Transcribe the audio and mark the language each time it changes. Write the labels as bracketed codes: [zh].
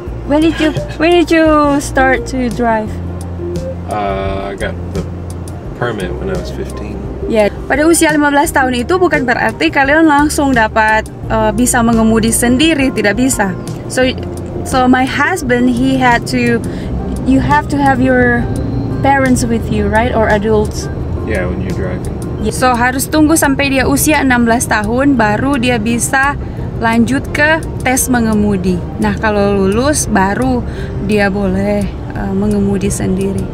[en] When did you start to drive? I got the permit when I was 15. Yeah. [id] Pada usia 15 tahun itu bukan berarti kalian langsung dapat bisa mengemudi sendiri, tidak bisa. [en] So my husband, you have to have your parents with you, right? Or adults? Yeah, when you're driving. [id] So harus tunggu sampai dia usia 16 tahun baru dia bisa lanjut ke tes mengemudi. Nah, kalau lulus baru dia boleh mengemudi sendiri.